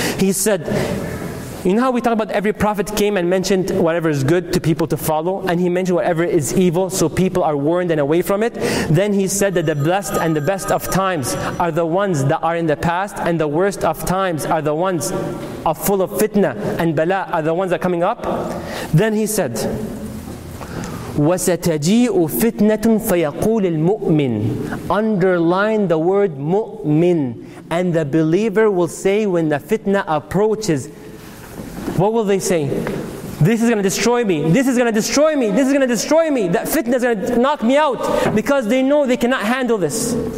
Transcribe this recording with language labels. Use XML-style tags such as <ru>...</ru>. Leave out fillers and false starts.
<en>He said, you know how we talk about every prophet came and mentioned whatever is good to people to follow, and he mentioned whatever is evil so people are warned and away from it? Then he said that the blessed and the best of times are the ones that are in the past, and the worst of times are the ones are full of fitna and bala are the ones that are coming up. Then he said,</en> <ar>وَسَتَجِيءُ فِتْنَةٌ فَيَقُولِ الْمُؤْمِنِ.</ar> <en>Underline the word mu'min. And the believer will say when the fitna approaches, what will they say? This is going to destroy me. This is going to destroy me. This is going to destroy me. That fitna is going to knock me out, because they know they cannot handle this.</en>